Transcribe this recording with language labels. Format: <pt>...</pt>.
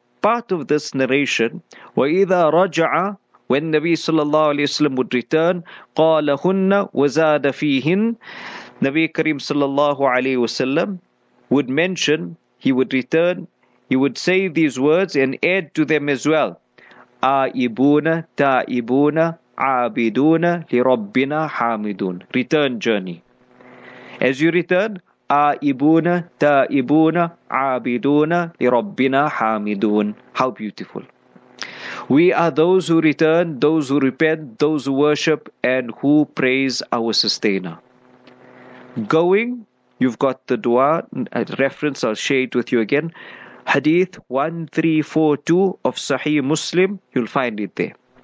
<en>Part of this narration,</en> <ar>وَإِذَا رَجَعَ,</ar> <en>when Nabi sallallahu alayhi wa sallam would return,</en> <ar>قَالَهُنَّ وَزَادَ فِيهِنْ,</ar> <en>Nabi Karim sallallahu alayhi wa sallam would mention, he would return, he would say these words and add to them as well,</en> <ar>آئِبُونَ تَائِبُونَ عَابِدُونَ لِرَبِّنَا حَامِدُونَ.</ar> <en>Return journey. As you return,</en> <ar>آئِبُونَ تَائِبُونَ عَابِدُونَ لِرَبِّنَا حَامِدُونَ.</ar> <en>How beautiful. We are those who return, those who repent, those who worship, and who praise our sustainer. Going, you've got the dua, a reference I'll share it with you again. Hadith 1342 of Sahih Muslim, you'll find it there.</en>